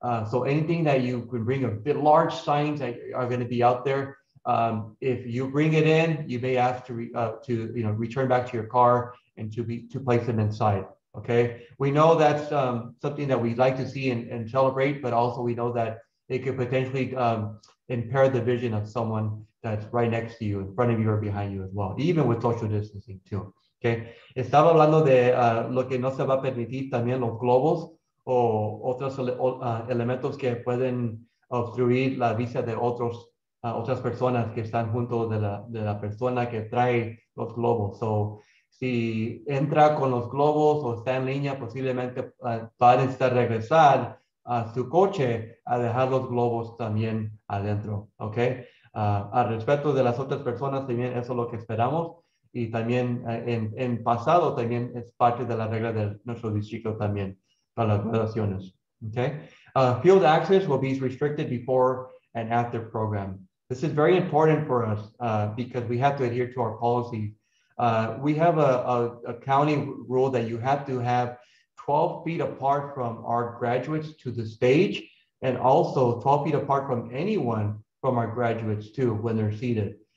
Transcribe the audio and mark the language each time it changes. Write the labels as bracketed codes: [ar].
[en] So anything that you can bring, a bit large signs that are going to be out there, if you bring it in, you may have to return back to your car and to place them inside. Okay, we know that's something that we'd like to see and celebrate, but also we know that it could potentially impair the vision of someone that's right next to you, in front of you, or behind you as well, even with social distancing too. Okay. [es] Estaba hablando de lo que no se va a permitir, también los globos o otros elementos que pueden obstruir la vista de otros otras personas que están junto de la persona que trae los globos. So, si entra con los globos o está en línea, posiblemente va a necesitar regresar a su coche a dejar los globos también adentro. Okay. Al respecto de las otras personas, también eso es lo que esperamos. Y también en pasado también es parte de la regla de nuestro distrito también para las graduaciones. [en] Okay. Field access will be restricted before and after program. This is very important for us because we have to adhere to our policy. We have a county rule that you have to have 12 feet apart from our graduates to the stage, and also 12 feet apart from anyone from our graduates too when they're seated.